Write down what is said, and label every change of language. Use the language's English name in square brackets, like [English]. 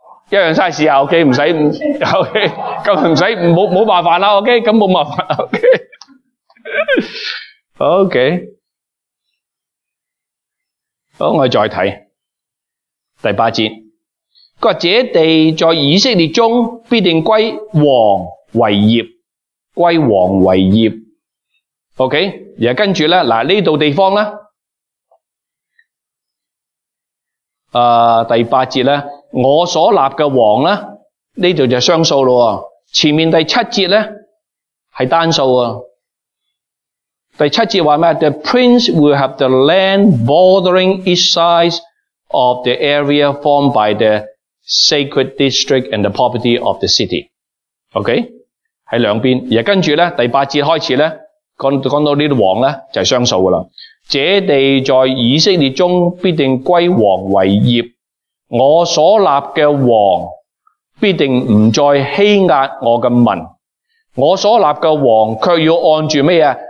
[Cantonese] 一样 size 啊 ，OK， 唔使 ，OK， 咁唔使冇麻烦啦 ，OK， 咁冇麻烦 ，OK，OK， 好，我再睇第八节，佢话这地在以色列中必定归王为业，归王为业 ，OK， 然后跟住咧，嗱呢度地方咧，第八节咧。我所立嘅王呢，呢度就双数喇。前面第七节呢係单数喎。第七节话咩 [English] ?The prince will have the land bordering each side of the area formed by the sacred district and the property of the city。 [Cantonese] Okay? 喺两边。而跟住呢第八节开始呢讲到呢度王呢就係双数喇。这地在以色列中必定归王为业。我所立嘅王必定唔再欺压我嘅民，我所立嘅王却要按住咩呀？